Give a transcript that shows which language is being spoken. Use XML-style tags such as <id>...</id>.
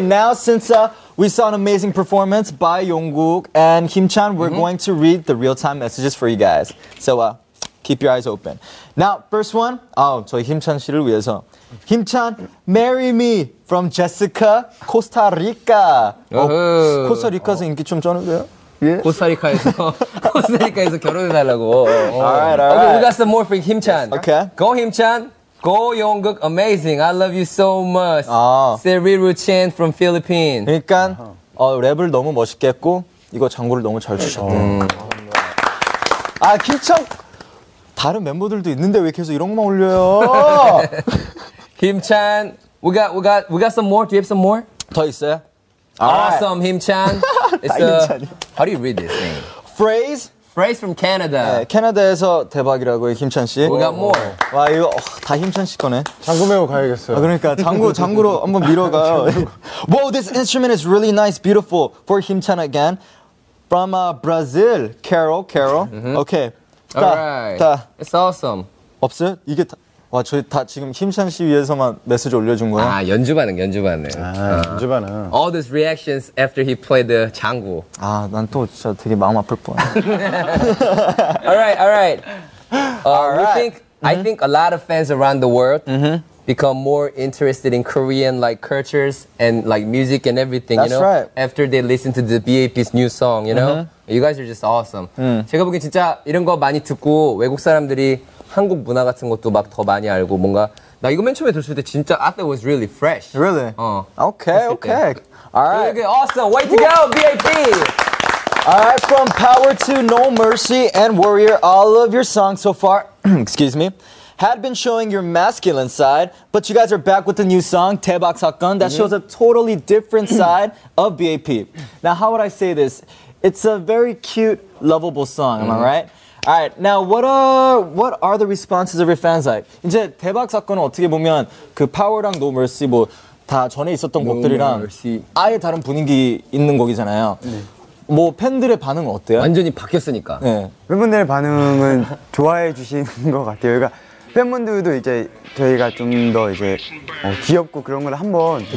<en>Now, since we saw an amazing performance by Youngook and Kim Chan, we're mm-hmm. going to read the real-time messages for you guys. So, keep your eyes open. Now, first one.</en> <ko>Oh, 저희 김찬 씨를 위해서.</ko> <en>김찬, marry me from Jessica, Costa Rica. Oh,</en> <ko>Costa Rica에서 인기 좀 쩌는데요?</ko> <en>Yeah.</en> <ko>코스타리카에서 결혼해달라고.</ko> <en>Oh. All right, all right. Okay, we got some more for 김찬. Yes. Okay. Go, 김찬. Go, Youngook, amazing. I love you so much. Seriru Chen from Philippines.</en> <ko>그러니까 랩을 너무 멋있게 했고 이거 장구를 너무 잘 주셨대. 아, 김찬. 다른 멤버들도 있는데 왜 계속 이런 것만 올려요?</ko> <en>김찬, we got some more. Do you have some more?</en> <ko>더 있어요?</ko> <en>Awesome, 김찬. It's a how do you read this thing? Phrase? Phrase from Canada.</en> <ko>네, 캐나다에서 대박이라고 해, 김찬 씨.</ko> <en>We got more.</en> <ko>와 이거 다 김찬 씨 거네. 장구 메고 가야겠어요. 아, 그러니까 장구로 한번 밀어가.</ko> <en>Wow, this instrument is really nice, beautiful. For 김찬 again, from Brazil, Carol. Okay. Alright, it's awesome.</en> <ko>없어요? 이게 다, 와 저희 다 지금 힘찬 씨 위해서만 메시지 올려준 거야? 아 연주반응. 아 연주반응.</ko> <en>All these reactions after he played the 장구.</en> <ko>아 난 또 진짜 되게 마음 아플 뻔.</ko> <en>alright. Alright. I think a lot of fans around the world become more interested in Korean like cultures and like music and everything. That's you know? Right. After they listen to the B.A.P's new song, you know. Mm-hmm. You guys are just awesome.</en> <ko>제가 보기엔 진짜 이런 거 많이 듣고 외국 사람들이 한국 문화 같은 것도 막 더 많이 알고 뭔가 나 이거 맨 처음에 들었을 때 진짜</ko> <en>I thought it was really fresh. Really?</en> <ko>어.</ko> <en>Okay, okay. Alright. Awesome. Way to go, B.A.P. Alright, from Power to No Mercy and Warrior, all of your songs so far, excuse me, had been showing your masculine side, but you guys are back with a new song, 대박 사건, that shows a totally different side of B.A.P. Now, how would I say this? It's a very cute, lovable song, am I right? Alright, now what are the responses of your fans like?</en> <ko>이제 대박 사건은 어떻게 보면 그 파워랑 노 머시 뭐 다 전에 있었던</ko> <en>no</en> <ko>곡들이랑</ko> <en>mercy.</en> <ko>아예 다른 분위기 있는 곡이잖아요. 네. 뭐 팬들의 반응은 어때요? 완전히 바뀌었으니까. 네. 팬분들의 반응은 좋아해 주시는 것 같아요. 그러니까 팬분들도 이제 저희가 좀 더 이제 귀엽고 그런 걸 한번 그쵸.</ko>